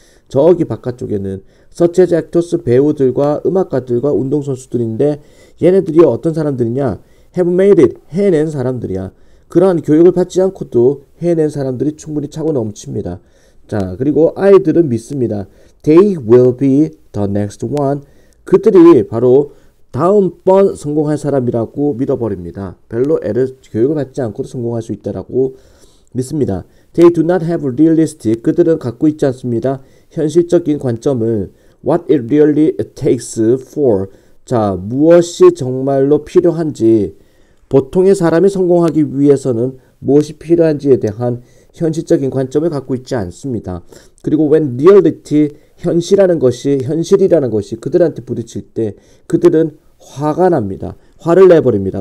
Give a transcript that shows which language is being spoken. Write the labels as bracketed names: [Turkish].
[Korean] 저기 바깥쪽에는 [English] such as actors [Korean] 배우들과 음악가들과 운동선수들인데 얘네들이 어떤 사람들이냐? [English] Have made it. [Korean] 해낸 사람들이야. 그러한 교육을 받지 않고도 해낸 사람들이 충분히 차고 넘칩니다. 자, 그리고 아이들은 믿습니다. [English] They will be the next one. [Korean] 그들이 바로 다음번 성공할 사람이라고 믿어버립니다. 별로 애를 교육을 받지 않고도 성공할 수 있다라고 믿습니다. [English] They do not have realistic. [Korean] 그들은 갖고 있지 않습니다. 현실적인 관점을 [English] what it really takes for. [Korean] 자, 무엇이 정말로 필요한지. 보통의 사람이 성공하기 위해서는 무엇이 필요한지에 대한 현실적인 관점을 갖고 있지 않습니다. 그리고 [English] when reality, [Korean] 현실이라는 것이 그들한테 부딪힐 때 그들은 화가 납니다. 화를 내버립니다.